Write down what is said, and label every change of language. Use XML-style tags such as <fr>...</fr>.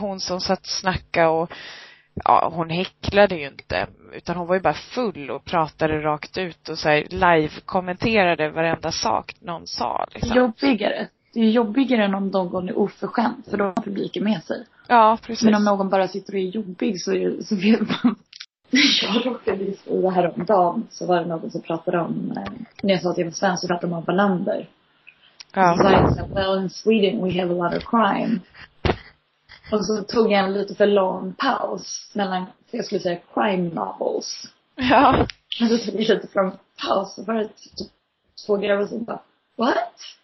<sv>Hon som satt och snackade och, ja, hon häcklade ju inte, utan hon var ju bara full och pratade rakt ut och så här live kommenterade varenda sak någon sa liksom. Jobbigare. Det är jobbigare än om någon är oförskämd, för då har publiken med sig. Ja, precis. Men om någon bara sitter och är jobbig, så vet man. Jag råkade ju säga här om dagen, så var det någon som pratade om, när jag sa att jag var svensk, så pratade man om Wallander. Så jag sa,</sv> <en>well, in Sweden we have a lot of crime.</en> <sv>Och så tog jag en lite för lång paus mellan, jag skulle säga,</sv> <en>crime novels.</en> <sv>Ja. Men så tog jag lite från paus och bara två grejer och så bara, what?</sv>